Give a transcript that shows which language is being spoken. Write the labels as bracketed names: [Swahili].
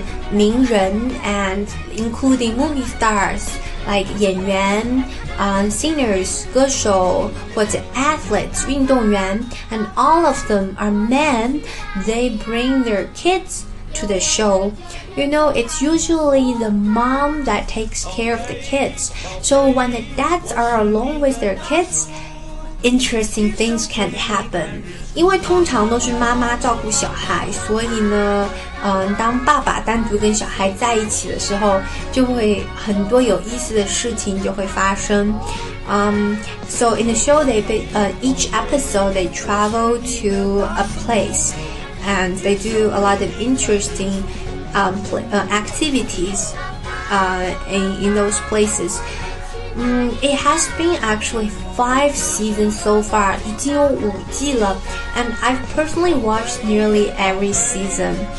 [Chinese] 名人 [English] and including movie stars like [Chinese] 演员 [English] singers [Chinese] 歌手或者 [English] athletes [Chinese] 运动员 [English] and all of them are men. They bring their kids to the show. You know, it's usually the mom that takes care of the kids. So when the dads are alone with their kids, interesting things can happen. [Chinese] 因为通常都是妈妈照顾小孩，所以呢当爸爸单独跟小孩在一起的时候，就会很多有意思的事情就会发生。 [English] So in the show, each episode they travel to a place, and they do a lot of interesting activities in those places. It has been actually 5 seasons so far, [Chinese] 已经有五季了, [English] and I've personally watched nearly every season.